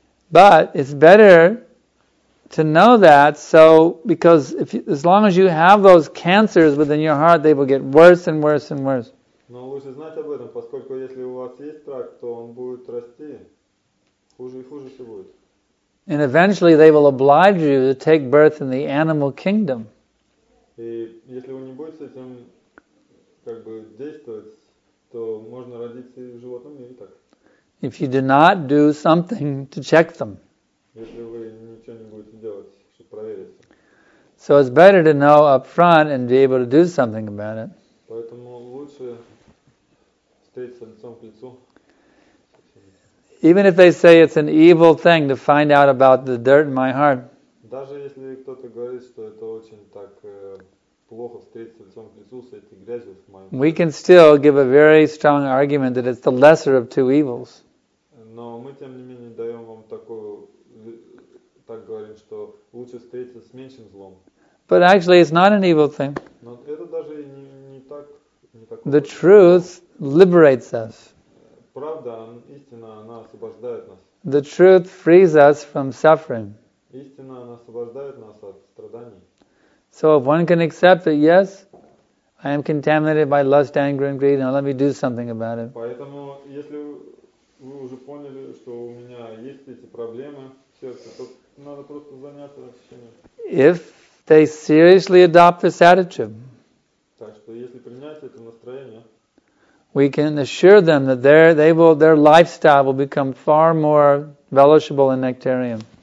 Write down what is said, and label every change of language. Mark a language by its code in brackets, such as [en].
[en] But it's better to know that, so because if you, as long as you have those cancers within your heart, they will get worse and worse and worse. [ru] Но лучше знать об этом, поскольку если у вас есть рак, то он будет расти, хуже и хуже все будет. [en] And eventually, they will oblige you to take birth in the animal kingdom. [ru] И если вы не будете этим как бы действовать, то можно родиться в животном мире так. [en] If you do not do something to check them. [ru] Если вы ничего не будете делать, чтобы провериться. [en] So it's better to know up front and be able to do something about it. [ru] Поэтому лучше встретиться лицом к лицу. [en] Even if they say it's an evil thing to find out about the dirt in my heart. [ru] Даже если кто-то говорит, что это очень так плохо встретиться лицом к лицу с этой грязью в моем. [en] We can still give a very strong argument that it's the lesser of two evils. [ru] Но мы тем не менее даем вам такую так говорим, что лучше встретиться с меньшим злом. [en] But actually it's not an evil thing. [ru] Но это даже не так. [en] The truth liberates us. [ru] Правда, истина, она освобождает нас. [en] The truth frees us from suffering. [ru] Истина, она освобождает нас от страданий. [en] So if one can accept that, yes, I am contaminated by lust, anger, and greed, now let me do something about it. [ru] Поэтому, если вы уже поняли, что у меня есть эти проблемы в сердце, то надо просто заняться очищением. [en] If they seriously adopt this attitude, [ru] так что если принять это настроение, [en] we can assure them that their lifestyle will become far more relishable and nectarian.